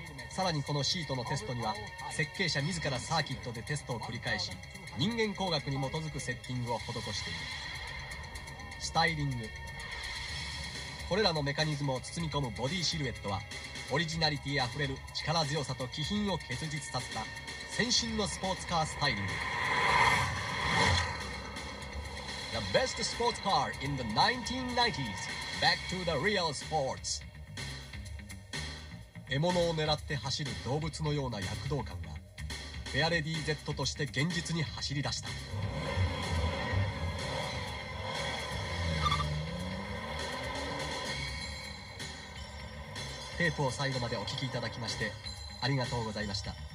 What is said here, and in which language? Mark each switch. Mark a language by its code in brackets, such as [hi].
[ja] さらにこのシートのテストには、設計者自らサーキットでテストを繰り返し、人間工学に基づくセッティングを施している。スタイリング、これらのメカニズムを包み込むボディシルエットは、オリジナリティあふれる力強さと気品を結実させた先進のスポーツカースタイリング。 [en] The best sports car in the 1990s, back to the real sports. [ja] 獲物を狙って走る動物のような躍動感が、フェアレディ Z として現実に走り出した。テープを最後までお聞きいただきましてありがとうございました。